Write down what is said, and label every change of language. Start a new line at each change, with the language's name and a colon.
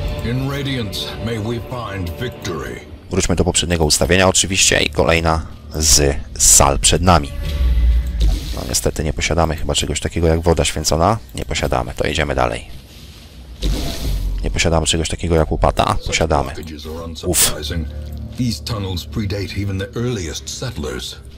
English: In Radiance may we find victory.
Polish: Wróćmy do poprzedniego ustawienia oczywiście i kolejna z sal przed nami. No niestety nie posiadamy chyba czegoś takiego jak woda święcona. Nie posiadamy, to idziemy dalej. Nie posiadamy czegoś takiego jak łopata. Posiadamy. Uff.
English: These tunnels predate even the earliest settlers.